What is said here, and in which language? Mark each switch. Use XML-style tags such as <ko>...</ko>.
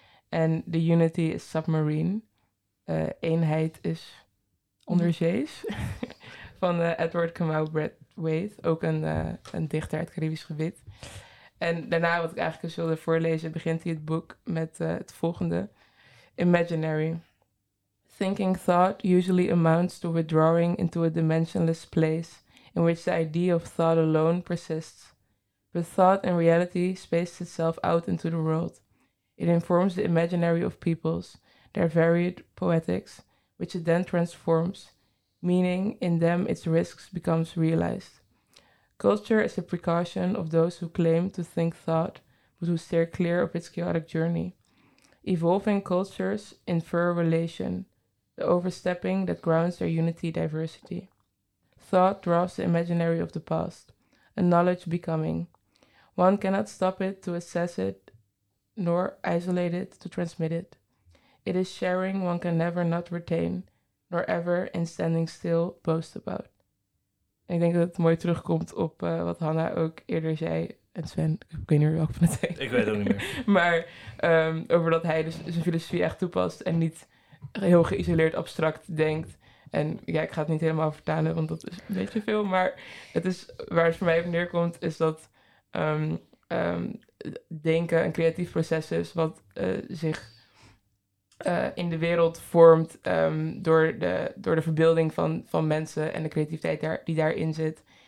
<nl>En</nl> <en>The Unity is Submarine.</en> <nl>Eenheid is onderzees. Van Edward Kamau Braithwaite, ook een dichter uit Caribisch gebied. En daarna, wat ik eigenlijk eens wilde voorlezen, begint hij het boek met het volgende.</nl> <en>Imaginary. Thinking thought usually amounts to withdrawing into a dimensionless place in which the idea of thought alone persists. But thought in reality spaces itself out into the world. It informs the imaginary of peoples, their varied poetics, which it then transforms, meaning in them its risks becomes realized. Culture is a precaution of those who claim to think thought, but who steer clear of its chaotic journey. Evolving cultures infer relation, the overstepping that grounds their unity diversity. Thought draws the imaginary of the past, a knowledge becoming. One cannot stop it to assess it, nor isolate it to transmit it. It is sharing one can never not retain, nor ever in standing still boast about.</en> <nl>En ik denk dat het mooi terugkomt op wat Hanna ook eerder zei. En Sven, ik weet niet meer welke van het zei. Ik weet het ook niet meer. Maar over dat hij dus zijn filosofie echt toepast en niet heel geïsoleerd abstract denkt. En ja, ik ga het niet helemaal vertalen, want dat is een beetje veel. Maar het is waar het voor mij op neerkomt, is dat denken een creatief proces is wat zich in de wereld vormt door de verbeelding van mensen en de creativiteit die daarin zit.</nl>